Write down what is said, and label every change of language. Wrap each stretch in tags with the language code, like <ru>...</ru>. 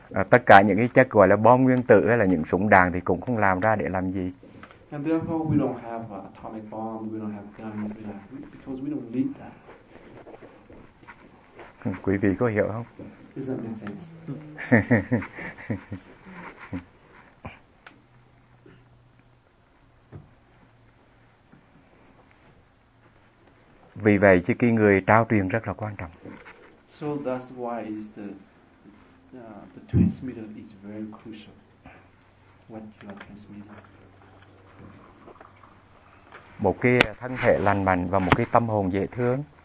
<vi>Tất cả những cái chất gọi là bom nguyên tử hay là những súng đạn thì cũng không làm ra để làm gì.</vi> <en>And therefore we don't have atomic bombs, we don't have guns, because we don't need that.</en> <vi>Quý vị có hiểu không?</vi> <en>Does that make sense?</en> <vi>Vì vậy chứ cái người trao truyền rất là quan trọng.</vi> <en>So that's why is the transmitter is very crucial. What you are transmitting.</en> <vi>Một cái thân thể lành mạnh và một cái tâm hồn dễ thương.</vi>